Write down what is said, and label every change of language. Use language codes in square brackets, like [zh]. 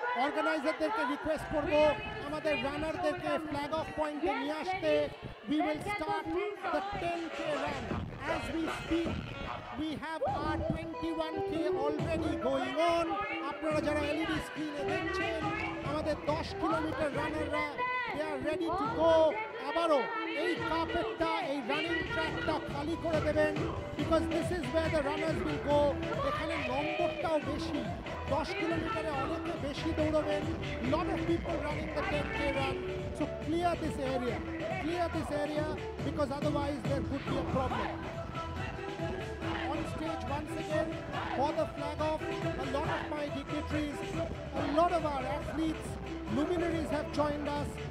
[bn] অর্গানাইজারদেরকে request করবো আমাদের রানারদেরকে flag of পয়েন্টে নিয়ে আসতে। [en] We will start the 10K run as we speak. we have our 21k already going on. [bn] আপনারা যারা এলইডি স্ক্রিনে দেখছেন আমাদের 10 kilometre রানাররা [en] they are ready to go. [bn] আবারো এই কাপেটটা এই রানিং ট্র্যাকটা খালি করে দেবেন [en] because this is where the runners will go. [bn] এখানে নম্বরটাও বেশি 10 কিলোমিটারে অনেকে বেশি দৌড়াবেন. [en] Lot of people running the 10k run. So clear this area. Clear this area because otherwise there could be a problem. Once again, for the flag off, a lot of my dignitaries, a lot of our athletes, luminaries have joined us.